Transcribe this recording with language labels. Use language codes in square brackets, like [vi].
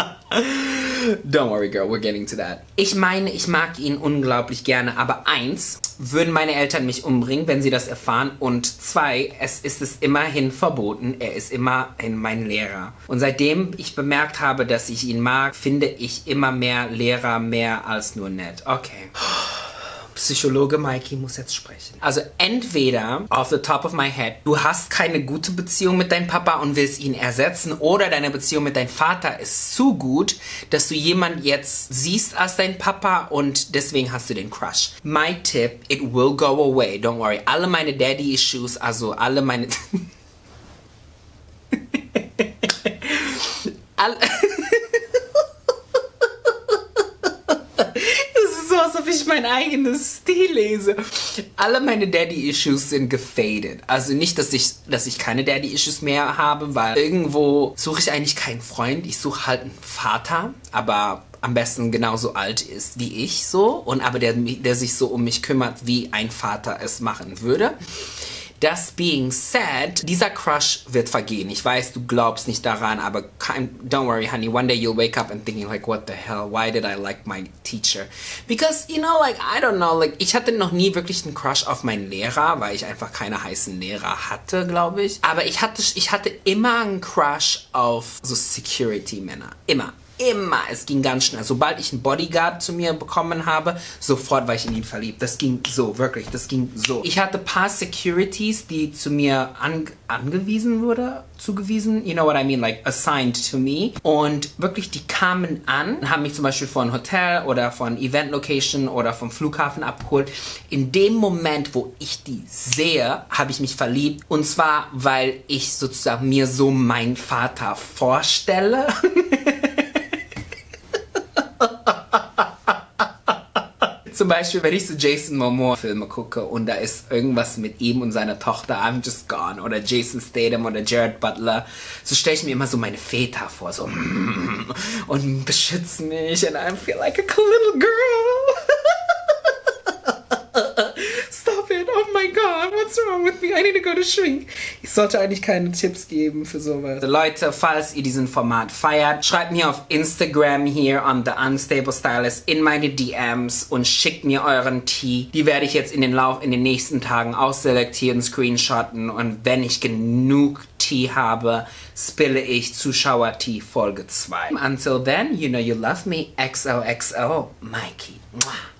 [en] Don't worry, girl, we're getting to that. [de] Ich meine, ich mag ihn unglaublich gerne, aber eins, würden meine Eltern mich umbringen, wenn sie das erfahren? Und zwei, es ist es immerhin verboten, er ist immerhin mein Lehrer. Und seitdem ich bemerkt habe, dass ich ihn mag, finde ich immer mehr Lehrer mehr als nur nett. Okay. Psychologe Mikey muss jetzt sprechen. Also entweder, [en] off the top of my head, [de] du hast keine gute Beziehung mit deinem Papa und willst ihn ersetzen, oder deine Beziehung mit deinem Vater ist zu gut, dass du jemanden jetzt siehst als dein Papa und deswegen hast du den Crush. [en] My tip, it will go away, don't worry. [de] Alle meine Daddy-Issues, also alle meine... alle... mein eigenes Stil lese. Alle meine Daddy-Issues sind gefadet. Also nicht, dass ich keine Daddy-Issues mehr habe, weil irgendwo suche ich eigentlich keinen Freund. Ich suche halt einen Vater, aber am besten genauso alt ist wie ich so. Und aber der sich so um mich kümmert, wie ein Vater es machen würde. Das [en] being said, [de] dieser Crush wird vergehen. Ich weiß, du glaubst nicht daran, aber [en] don't worry, honey. One day you'll wake up and thinking like, what the hell? Why did I like my teacher? Because, you know, like, I don't know. [de] Like, ich hatte noch nie wirklich einen Crush auf meinen Lehrer, weil ich einfach keine heißen Lehrer hatte, glaube ich. Aber ich hatte immer einen Crush auf so Security-Männer. Immer. Immer. Es ging ganz schnell. Sobald ich einen Bodyguard zu mir bekommen habe, sofort war ich in ihn verliebt. Das ging so, wirklich. Das ging so. Ich hatte ein paar Securities, die zu mir angewiesen wurde, zugewiesen. [en] You know what I mean? Like, assigned to me. [de] Und wirklich, die kamen an und haben mich zum Beispiel von Hotel oder von Event Location oder vom Flughafen abgeholt. In dem Moment, wo ich die sehe, habe ich mich verliebt. Und zwar, weil ich sozusagen mir so meinen Vater vorstelle. Zum Beispiel, wenn ich so Jason Momoa Filme gucke und da ist irgendwas mit ihm und seiner Tochter, [en] I'm just gone, [de] oder Jason Statham oder Jared Butler, so stelle ich mir immer so meine Väter vor, so und beschütze mich [en] and I feel like a little girl. [de] Stop it, oh my god, what's wrong with me, I need to go to shrink. Ich sollte eigentlich keine Tipps geben für sowas. So Leute, falls ihr diesen Format feiert, schreibt mir auf Instagram hier on the Unstable Stylist in meine DMs und schickt mir euren Tee. Die werde ich jetzt in den nächsten Tagen ausselektieren, screenshotten, und wenn ich genug Tee habe, spille ich Zuschauer-Tee Folge 2. [en] Until then, you know you love me, [de] XOXO, Mikey. Mwah.